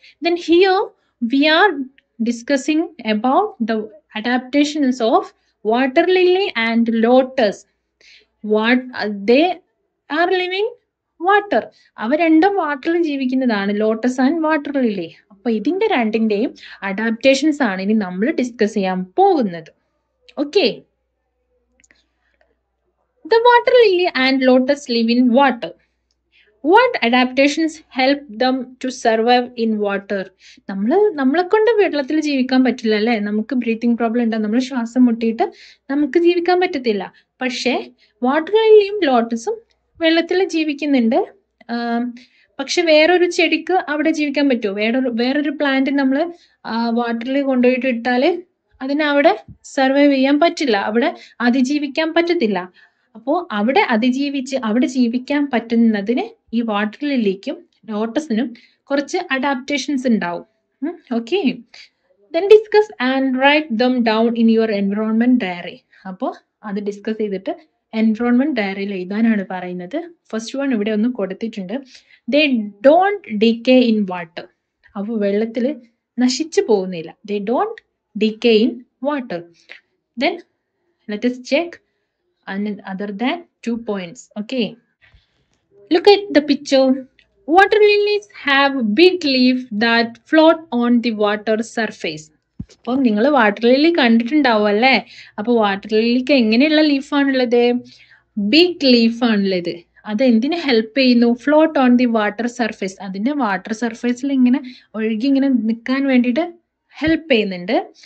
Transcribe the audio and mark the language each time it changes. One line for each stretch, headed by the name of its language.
English: Then here we are discussing about the adaptations of water lily and lotus. They are living water.
Malayalam: അവ രണ്ടും വാട്ടറിൽ ജീവിക്കുന്നതാണ്, lotus and water lily. അപ്പൊ ഇതിന്റെ രണ്ടിന്റെയും adaptations ആണ് ഇനി നമ്മൾ ഡിസ്കസ് ചെയ്യാൻ പോകുന്നത്. Okay,
English: The water lily and lotus live in water. What adaptations help them to survive in water?
Malayalam: നമ്മളെ കൊണ്ട് വെള്ളത്തിൽ ജീവിക്കാൻ പറ്റില്ല അല്ലേ. നമുക്ക് ബ്രീത്തിങ് പ്രോബ്ലം ഉണ്ടാവും, നമ്മൾ ശ്വാസം മുട്ടിയിട്ട് നമുക്ക് ജീവിക്കാൻ പറ്റത്തില്ല. പക്ഷേ വാട്ടർ ലിലിയും ലോട്ടസും വെള്ളത്തിൽ ജീവിക്കുന്നുണ്ട്. പക്ഷെ വേറൊരു ചെടിക്ക് അവിടെ ജീവിക്കാൻ പറ്റുമോ? വേറൊരു പ്ലാന്റ് നമ്മൾ വാട്ടറിൽ കൊണ്ടുപോയിട്ട് ഇട്ടാൽ അതിനവിടെ സർവൈവ് ചെയ്യാൻ പറ്റില്ല, അവിടെ അതിജീവിക്കാൻ പറ്റത്തില്ല. അപ്പോൾ അവിടെ അതിജീവിച്ച് അവിടെ ജീവിക്കാൻ പറ്റുന്നതിന് ഈ വാട്ടർ ലിലിക്കും ലോട്ടസിനും കുറച്ച് അഡാപ്റ്റേഷൻസ് ഉണ്ടാവും.
English: Okay, then discuss and write them down in your environment diary.
Malayalam: അപ്പോൾ അത് ഡിസ്കസ് ചെയ്തിട്ട് എൻവിറോൺമെന്റ് ഡയറിയിൽ എഴുതാനാണ് പറയുന്നത്. ഫസ്റ്റ് വൺ ഇവിടെ ഒന്ന് കൊടുത്തിട്ടുണ്ട്.
English: They don't decay in water.
Malayalam: അപ്പോൾ വെള്ളത്തിൽ നശിച്ചു പോകുന്നില്ല.
English: They don't decay in water. Then let us check other than two points. Okay, look at the picture. Water lilies have big leaves that float on the water surface.
Malayalam: അപ്പോൾ നിങ്ങൾ water Lily കണ്ടിട്ടുണ്ടാവും അല്ലേ. അപ്പോൾ water ലിലിക്ക് എങ്ങനെയുള്ള ലീഫാണുള്ളത്? ബിഗ് ലീഫാണുള്ളത്. അത് എന്തിനു help ചെയ്യുന്നു?
English: float on the water surface,
Malayalam: അതിൻ്റെ വാട്ടർ സർഫേസിൽ ഇങ്ങനെ ഒഴുകി ഇങ്ങനെ നിൽക്കാൻ വേണ്ടിയിട്ട് ഹെൽപ്പ് ചെയ്യുന്നുണ്ട്.